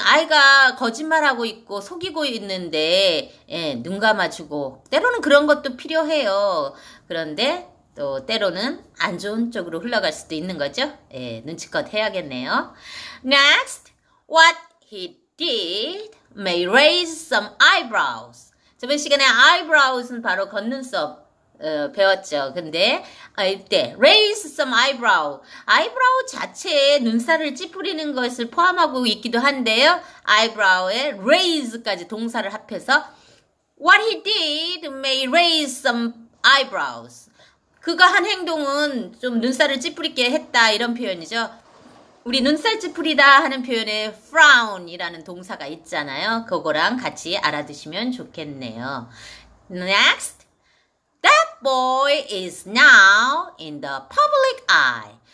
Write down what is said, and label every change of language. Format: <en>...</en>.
<ko>아이가 거짓말하고 있고 속이고 있는데 예, 눈 감아주고 때로는 그런 것도 필요해요. 그런데 또 때로는 안 좋은 쪽으로 흘러갈 수도 있는 거죠. 예, 눈치껏 해야겠네요.</ko> <en>Next, what he did may raise some eyebrows.</en> <ko>저번 시간에 eyebrows는 바로 겉눈썹 배웠죠. 근데 이때</ko> <en>raise some eyebrow.</en> <ko>eyebrow 자체에 눈살을 찌푸리는 것을 포함하고 있기도 한데요. eyebrow에 raise까지 동사를 합해서</ko> <en>what he did may raise some eyebrows.</en> <ko>그가 한 행동은 좀 눈살을 찌푸리게 했다 이런 표현이죠. 우리 눈살 찌푸리다 하는 표현에 frown이라는 동사가 있잖아요. 그거랑 같이 알아두시면 좋겠네요.</ko> <en>Next. That boy is now in the public eye.</en>